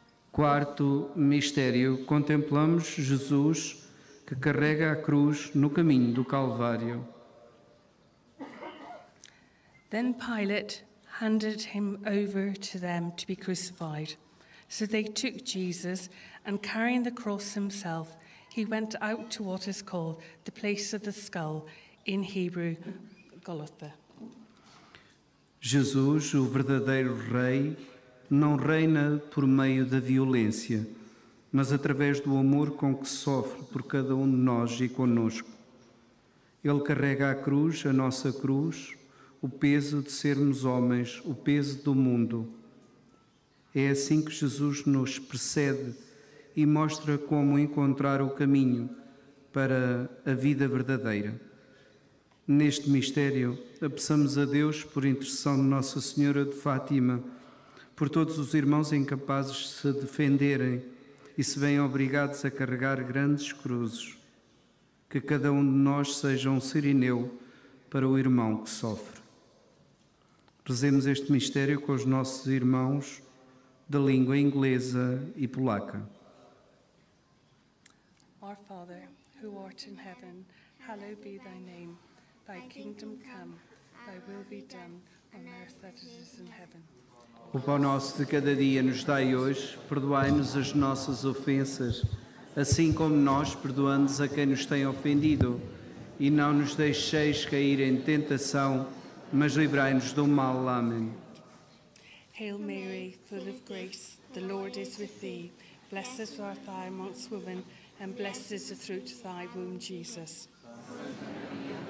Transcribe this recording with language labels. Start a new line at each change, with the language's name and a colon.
Portuguese: Quarto mistério, contemplamos Jesus que carrega a cruz no caminho do Calvário.
English: Then Pilate handed him over to them to be crucified. So they took Jesus, and carrying the cross himself, he went out to what is called the place of the skull, in Hebrew, Golgotha.
Portuguese: Jesus, o verdadeiro rei, não reina por meio da violência, mas através do amor com que sofre por cada um de nós e conosco. Ele carrega a cruz, a nossa cruz, o peso de sermos homens, o peso do mundo. É assim que Jesus nos precede e mostra como encontrar o caminho para a vida verdadeira. Neste mistério, apeçamos a Deus por intercessão de Nossa Senhora de Fátima, por todos os irmãos incapazes de se defenderem e se veem obrigados a carregar grandes cruzes, que cada um de nós seja um sirineu para o irmão que sofre. Rezemos este mistério com os nossos irmãos da língua inglesa e polaca.
English: Our Father, who art in heaven, hallowed be thy name. Thy kingdom come, thy will be done, on earth as it is in heaven.
Portuguese: O pão nosso de cada dia nos dai hoje, perdoai-nos as nossas ofensas, assim como nós perdoamos a quem nos tem ofendido. E não nos deixeis cair em tentação, mas livrai-nos do mal. Amém.
English: Hail Mary, full of grace, the Lord is with thee. Blessed art thou amongst women, and blessed is the fruit of thy womb, Jesus.
Portuguese: Amém.